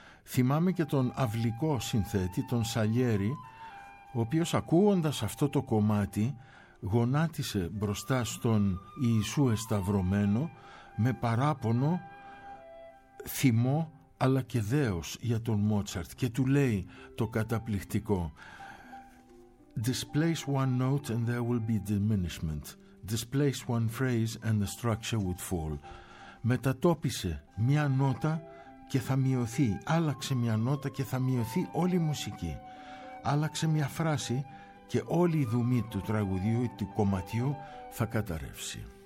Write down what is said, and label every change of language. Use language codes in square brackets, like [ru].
[el] Θυμάμαι και τον αυλικό συνθέτη, τον Σαλιέρη, ο οποίος ακούοντας αυτό το κομμάτι γονάτισε μπροστά στον Ιησού εσταυρωμένο με παράπονο, θυμό αλλά και δέος για τον Μότσαρτ και του λέει το καταπληκτικό: [en] «Displace one note and there will be diminishment. Displace one phrase and the structure would fall». [el] Μετατόπισε μια νότα και θα μειωθεί. Άλλαξε μια νότα και θα μειωθεί όλη η μουσική. Άλλαξε μια φράση και όλη η δομή του τραγουδιού ή του κομματιού θα καταρρεύσει.